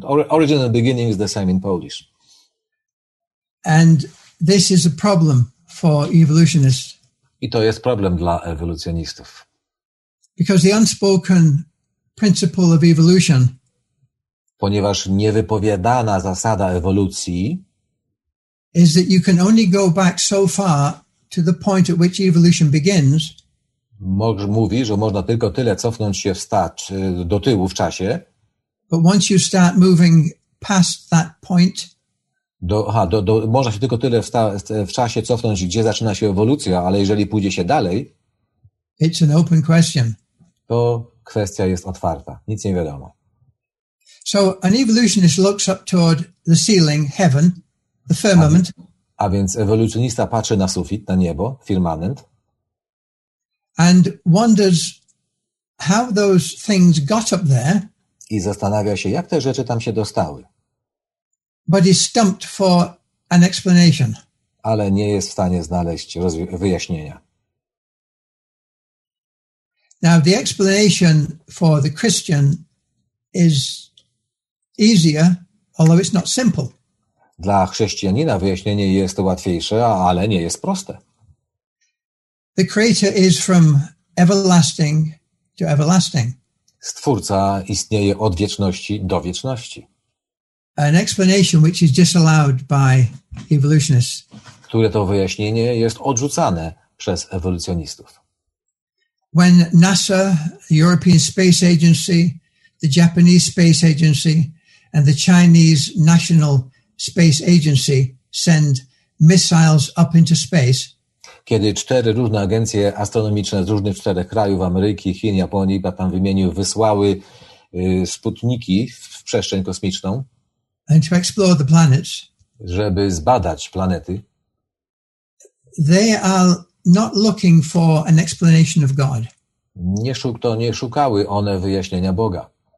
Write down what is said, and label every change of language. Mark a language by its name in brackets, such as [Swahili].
[English] Origin and beginning is the same in Polish. And this is a problem for evolutionists. [Polish] I to jest problem dla ewolucjonistów. [English] Because the unspoken principle of evolution. [Polish] Ponieważ niewypowiadana zasada ewolucji. [English] Is that you can only go back so far to the point at which evolution begins. [Polish] Mówi, że można tylko tyle cofnąć się wstecz do tyłu w czasie. [English] But once you start moving past that point. [Polish] Można się tylko tyle w czasie cofnąć, gdzie zaczyna się ewolucja, ale jeżeli pójdzie się dalej. [English] It's an open question. [Polish] To kwestia jest otwarta. Nic nie wiadomo. [English] So an evolutionist looks up toward the ceiling, heaven, the firmament. [Polish] A więc ewolucjonista patrzy na sufit, na niebo, firmament. [English] And wonders how those things got up there. [Polish] I zastanawia się, jak te rzeczy tam się dostały. [English] But is stumped for an explanation. [Polish] Ale nie jest w stanie znaleźć wyjaśnienia. [English] Now the explanation for the Christian is easier, although it's not simple. [Polish] Dla chrześcijanina wyjaśnienie jest łatwiejsze, ale nie jest proste. [English] The creator is from everlasting to everlasting. [Polish] Stwórca istnieje od wieczności do wieczności. [English] An explanation which is disallowed by evolutionists. [Polish] Które to wyjaśnienie jest odrzucane przez ewolucjonistów. [English] When NASA, the European Space Agency, the Japanese Space Agency, and the Chinese National Space Agency send missiles up into space. [Polish] Kiedy cztery różne agencje astronomiczne z różnych czterech krajów Ameryki, Chin, Japonii, ja tam wymienił, wysłały sputniki w przestrzeń kosmiczną. [English] And to explore the planets. [Polish] Żeby zbadać planety. [English] They are not looking for an explanation of God. [Polish] Nie szukały one wyjaśnienia Boga.